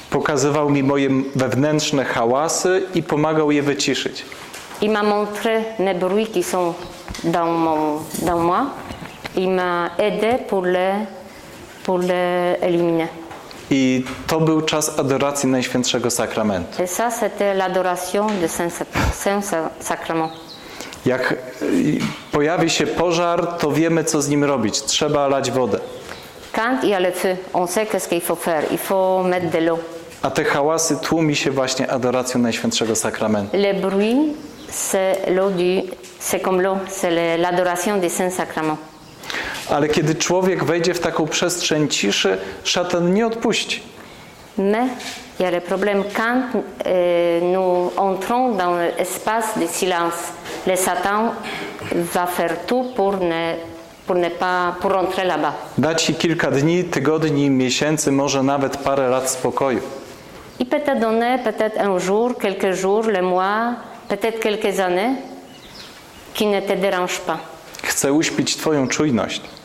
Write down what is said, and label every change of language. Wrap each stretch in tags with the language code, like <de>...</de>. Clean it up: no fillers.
<pl>Pokazywał mi moje wewnętrzne hałasy i pomagał je wyciszyć.</pl> <fr>Il m'a montré les bruits qui sont dans moi. Il m'a aidé pour les éliminer.</fr> <pl>I to był czas adoracji Najświętszego Sakramentu.</pl> <fr>Et ça, c'était l'adoration du Saint-Sacrement.</fr> <pl>Jak pojawi się pożar, to wiemy, co z nim robić. Trzeba lać wodę.</pl> <fr>Quand il y a le feu, on sait qu'est-ce qu'il faut faire. Il faut mettre de l'eau.</fr> <pl>A te hałasy tłumi się właśnie adoracją Najświętszego Sakramentu.</pl> <fr>Le bruit, c'est comme l'eau, c'est l'adoration du Saint-Sacrement.</fr> <pl>Ale kiedy człowiek wejdzie w taką przestrzeń ciszy, szatan nie odpuści.</pl> <fr>Mais il y a le problème quand nous entrons dans l'espace de silence, le Satan va faire tout pour rentrer là-bas.</fr> <pl>Da ci kilka dni, tygodni, miesięcy, może nawet parę lat spokoju.</pl> <fr>Il peut te donner peut-être un jour, quelques jours, les mois, peut-être quelques années qui ne te dérange pas.</fr> <pl>Chcę uśpić twoją czujność.</pl>